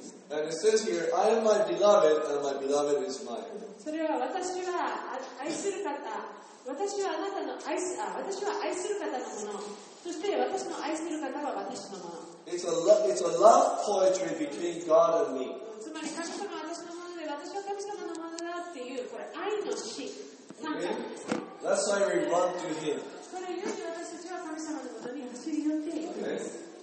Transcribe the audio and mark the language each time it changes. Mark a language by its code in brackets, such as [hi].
[en] And it says here, I am my beloved, and my beloved is mine. [ja] それは私は愛する方、私はあなたの愛す、あ、私は愛する方のもの。そして私の愛する方は私のもの。 [en] It's a love poetry between God and me. [ja] つまり神様は私のもので、私は神様のものだっていう、これ愛の詩、参加なんです。 [en] That's why we run to him. [ja] これゆえに私たちは神様のことに走り寄っていくんです。